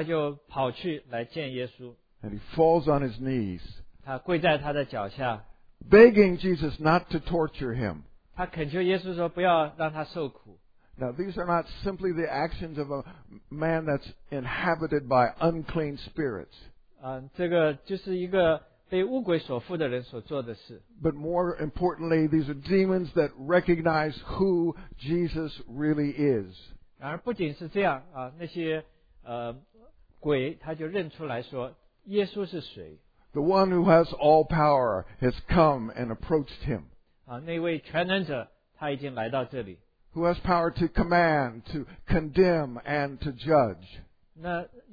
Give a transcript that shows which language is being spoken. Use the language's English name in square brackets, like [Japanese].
[Chinese] 这个鬼附的人他就跑去来见耶稣。 [English] And he falls on his knees. [Chinese] 他跪在他的脚下。 [English] Begging Jesus not to torture him. [Chinese] 他恳求耶稣说不要让他受苦。 [English] Now these are not simply the actions of a man that's inhabited by unclean spirits. [Chinese] 这个就是一个 被巫鬼所附的人所做的事。 [English] But more importantly, these are demons that recognize who Jesus really is. [Chinese] 然而不仅是这样，那些鬼他就认出来说，耶稣是谁。 [English] The one who has all power has come and approached him. [Chinese] 那位全能者他已经来到这里。 [English] Who has power to command, to condemn, and to judge.